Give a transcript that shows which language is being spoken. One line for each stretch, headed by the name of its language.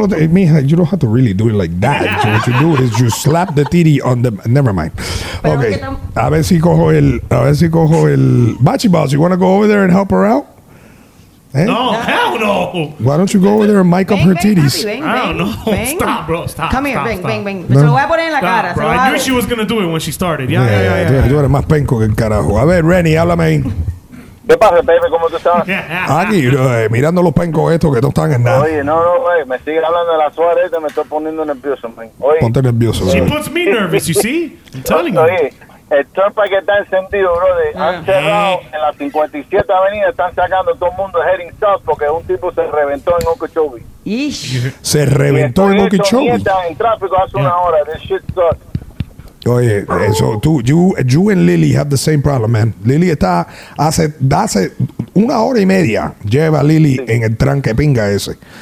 English: Mija, you don't have to really do it like that. So what you do is you slap the titty on the... Never mind. Okay.
Spanish: A ver si cojo el...
English: Bachi Boss, you want to go over there and help her out? Eh? No, hell no. Why don't you go over there and mic up her titties? I don't know. Stop, bro. Stop. Come here. Stop, bang, bang, bang.
Spanish: No. Se lo voy a poner en la cara.
English: Bro. I knew she was going to do it when she started. Yeah.
Spanish: Tú eres más penco que el carajo. A ver, Renny, háblame ahí. ¿Qué pasa, Pepe? ¿Cómo tú estás? Aquí, bro, mirando los pencos estos que no están en nada. Oye, no, güey, me sigue hablando de la Suárez, me estoy poniendo nervioso, man. Oye, ponte nervioso,
English: güey. She puts me nervous, you see? I'm telling you.
Spanish: Oye, el trompa que está encendido, bro, han cerrado en la 57 avenida, están sacando todo el mundo
English: heading south
Spanish: porque un tipo se reventó en Okeechobee. Se reventó en Okeechobee. Estaba en tráfico hace una hora,
English: this shit sucks.
Spanish: Oye, eso tú,
English: you and Lily have the same problem, man.
Spanish: Lily está hace una hora y media lleva a Lily en el tranque pinga ese.